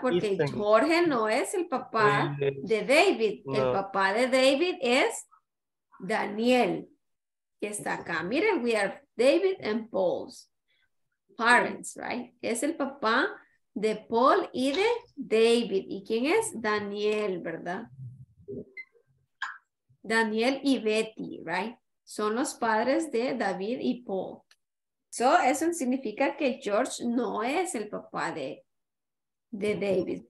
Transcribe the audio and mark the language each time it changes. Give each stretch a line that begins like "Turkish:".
Spanish: Porque Jorge no es el papá de David. No. El papá de David es Daniel, que está acá.
English: Miren, we are David and Paul's parents, right?
Spanish: Es el papá de Paul y de David. ¿Y quién es? Daniel, ¿verdad? Daniel y Betty,
English: right?
Spanish: Son los padres de David y Paul. So, eso significa que George no es el papá de David.